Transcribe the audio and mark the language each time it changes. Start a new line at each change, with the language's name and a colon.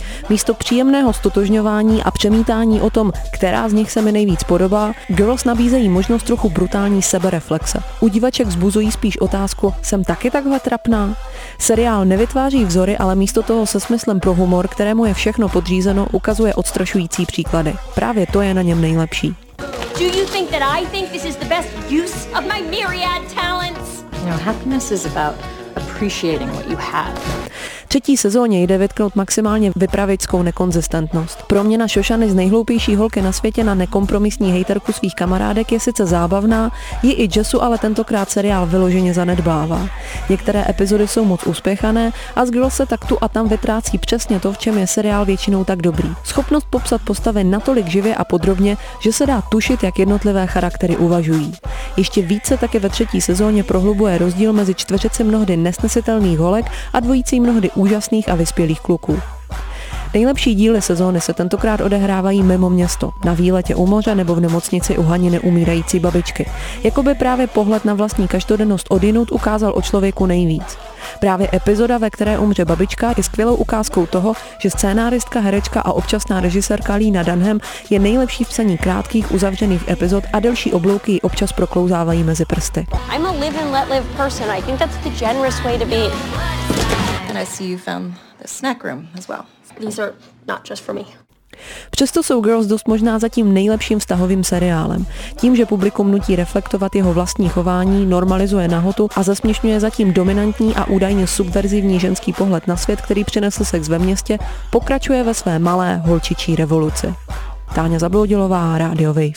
Czech: Místo příjemného ztotožňování a přemítání o tom, která z nich se mi nejvíc podobá, Girls nabízejí možnost trochu brutální sebereflexe. U divaček vzbuzují spíš otázku, jsem taky takhle trapná? Seriál nevytváří vzory, ale místo toho se smyslem pro humor, kterému je všechno podřízeno, ukazuje odstrašující příklady. Právě to je na něm nejlepší.
English: Do you think that I think this is the best use of my myriad talents? No, happiness is about appreciating what you have.
Czech: Třetí sezóně jde vytknout maximálně vypravičskou nekonzistentnost. Proměna Shoshany z nejhloupější holky na světě na nekompromisní hejterku svých kamarádek je sice zábavná, ji i Jessu ale tentokrát seriál vyloženě zanedbává. Některé epizody jsou moc uspěchané a z Girls se tak tu a tam vytrácí přesně to, v čem je seriál většinou tak dobrý. Schopnost popsat postavy natolik živě a podrobně, že se dá tušit, jak jednotlivé charaktery uvažují. Ještě více také ve třetí sezóně prohlubuje rozdíl mezi čtveřici mnohdy nesnesitelných holek a dvojicí mnohdy úžasných a vyspělých kluků. Nejlepší díly sezóny se tentokrát odehrávají mimo město, na výletě u moře nebo v nemocnici u Haniny umírající babičky. Jakoby právě pohled na vlastní každodennost odjinud ukázal o člověku nejvíc. Právě epizoda, ve které umře babička, je skvělou ukázkou toho, že scénáristka, herečka a občasná režisérka Lena Dunham je nejlepší v psaní krátkých, uzavřených epizod a delší oblouky ji občas proklouzávají mezi prsty.
English: I'm a live and let live person. I think that's the generous way to be. And I see you found the snack room as well. These are not just for me.
Czech: Přesto jsou Girls dost možná zatím nejlepším vztahovým seriálem. Tím, že publikum nutí reflektovat jeho vlastní chování, normalizuje nahotu a zesměšňuje zatím dominantní a údajně subverzivní ženský pohled na svět, který přinesl sex ve městě, pokračuje ve své malé holčičí revoluci. Táňa Zabloudilová, Radio Wave.